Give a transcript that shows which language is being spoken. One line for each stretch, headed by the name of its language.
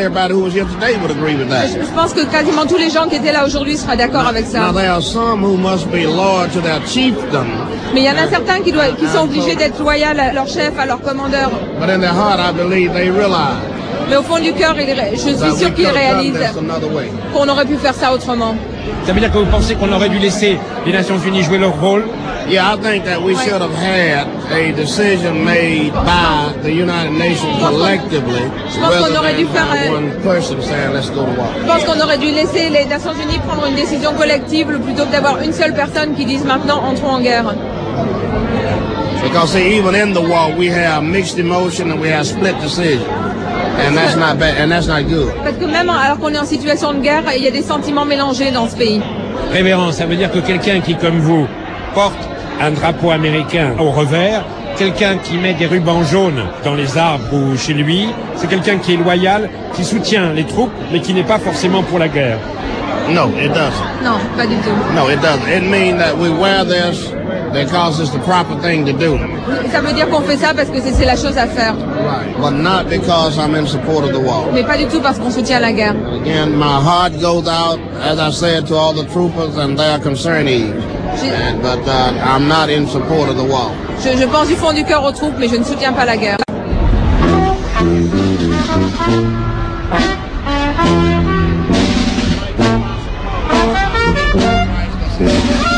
French: Je pense que quasiment tous les gens qui étaient là aujourd'hui seraient d'accord avec ça.
English: Now, there are some who must be loyal to their chieftain.
French: Mais il y en a certains qui sont obligés d'être loyaux à leur chef, à leur commandeur.
English: But in their heart, I believe they realize.
French: Mais au fond du cœur, je suis sûr qu'il réalise qu'on aurait pu faire ça autrement. Ça veut dire que vous pensez qu'on aurait dû laisser les Nations Unies jouer leur rôle?
English: Yeah, I think that we should have had a decision made by the United Nations collectively.
French: Je pense qu'on aurait dû laisser les Nations Unies prendre une décision collective plutôt que d'avoir une seule personne qui dise maintenant entrons en guerre.
English: Because see, even in the war, we have mixed emotion and we have split decisions. And that's not bad, and that's not good.
French: Parce que même alors qu'on est en situation de guerre, il y a des sentiments mélangés dans ce pays. Révérend, ça veut dire que quelqu'un qui, comme vous, porte un drapeau américain au revers, quelqu'un qui met des rubans jaunes dans les arbres ou chez lui, c'est quelqu'un qui est loyal, qui soutient les troupes, mais qui n'est pas forcément pour la guerre.
English: No, it doesn't.
French: Non, pas du tout.
English: No, it doesn't. It means that we wear this because it's the proper thing to do.
French: Ça veut dire qu'on fait ça parce que c'est la chose à faire.
English: Right. But not because I'm in support of the war.
French: Mais pas du tout parce qu'on soutient la guerre.
English: Again, my heart goes out, as I said, to all the troopers and their concernees. I'm not in support of the war.
French: Je pense du fond du cœur aux troupes, mais je ne soutiens pas la guerre.
English: Thank you.